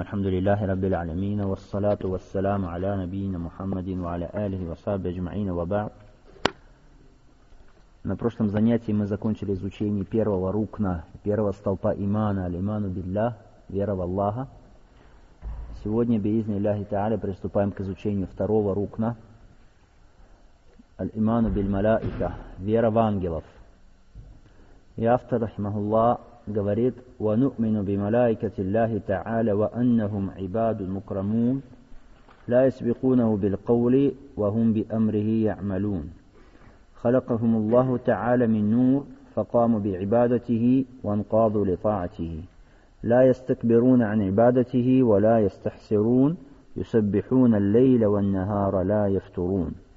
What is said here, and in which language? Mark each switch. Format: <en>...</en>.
<ar>الحمد لله رب العالمين، والصلاة والسلام على نبينا محمد وعلى آله وصحبه أجمعين، وبعد.</ar> <ru>На прошлом занятии мы закончили изучение первого рукна, первого столпа имана,</ru> <ar>аль-иману биллах,</ar> <ru>вера в Аллаха. Сегодня,</ru> <ar>биизни Аллахи Та'аля,</ar> <ru>приступаем к изучению второго рукна,</ru> <ar>аль-иману биль-малаика,</ar> <ru>вера в ангелов. И автор, рахимах Аллах, говорит:</ru> <ar>وَنُؤْمِنُ بِمَلَائِكَةِ اللَّهِ تَعَالَى وَأَنَّهُمْ عِبَادٌ مُكْرَمُونَ لَا يَسْبِقُونَهُ بِالْقَوْلِ وَهُمْ بِأَمْرِهِ يَعْمَلُونَ خلقهم الله تعالى من نور فقاموا بعبادته وانقادوا لطاعته لا يستكبرون عن عبادته ولا يستحسرون يسبحون الليل والنهار لا يفترون</ar>